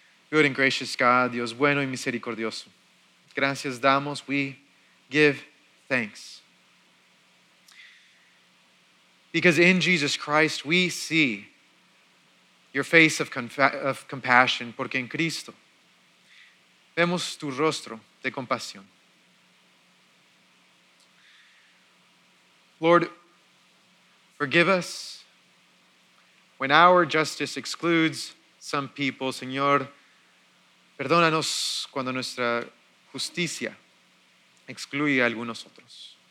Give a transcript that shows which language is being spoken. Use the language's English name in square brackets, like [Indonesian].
[English] Good and gracious God, [Spanish] Dios bueno y misericordioso. Gracias damos, [English] we give thanks. Because in Jesus Christ, we see your face of compassion. [Spanish] Porque en Cristo, vemos tu rostro de compasión. [English] Lord, forgive us when our justice excludes some people. [Spanish] Señor, perdónanos cuando nuestra justicia excluye a algunos otros.